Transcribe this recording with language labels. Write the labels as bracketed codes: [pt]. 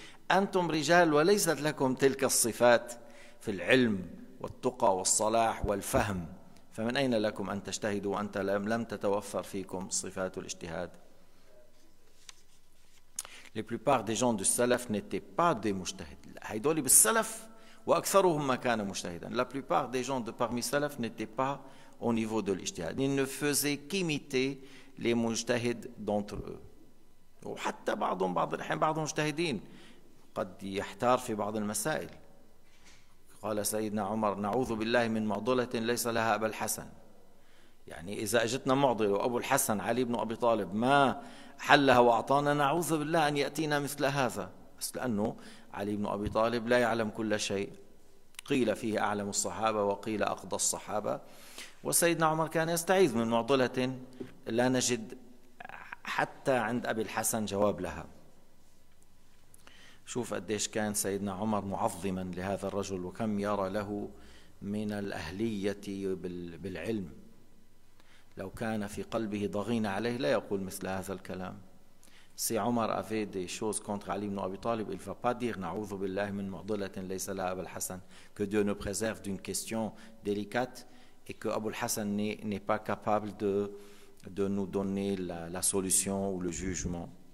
[ar] أنتم رجال وليست لكم تلك الصفات في العلم والتقى والصلاح والفهم, فمن أين لكم أن تجتهدوا وأنت لم تتوفر فيكم صفات الاجتهاد. [fr] La plupart des gens du salaf n'étaient pas des mujtahids. [ar] هيدول بالسلف وأكثرهم ما كانوا مجتهدا. [fr] La plupart des gens de parmi salaf n'étaient pas au niveau de l'ijtihad. Ils ne faisaient qu'imiter les mujtahids d'entre eux. [ar] وحتى بعضهم بعض الحين بعضهم مجتهدين قد يحتار في بعض المسائل. قال سيدنا عمر: نعوذ بالله من معضلة ليس لها أبا الحسن. يعني إذا أجتنا معضلة وأبو الحسن علي بن أبي طالب ما حلها وأعطانا, نعوذ بالله أن يأتينا مثل هذا. بس لأنه علي بن أبي طالب لا يعلم كل شيء, قيل فيه أعلم الصحابة وقيل أقضى الصحابة. وسيدنا عمر كان يستعيذ من معضلة لا نجد حتى عند أبي الحسن جواب لها. شوف قديش كان سيدنا عمر معظما لهذا الرجل وكم يرى له من الأهلية بالعلم. لو كان في قلبه ضغين عليه لا يقول مثل هذا الكلام. سي عمر [fr] avait des choses contre [ar] علي بن أبي طالب, [fr] il ne va pas dire [ar] نعوذ بالله من معضلة ليس لها أبو الحسن. [fr] Que Dieu nous préserve d'une question délicate et que Abu al-Hassan n'est pas capable de nous donner la solution ou le jugement.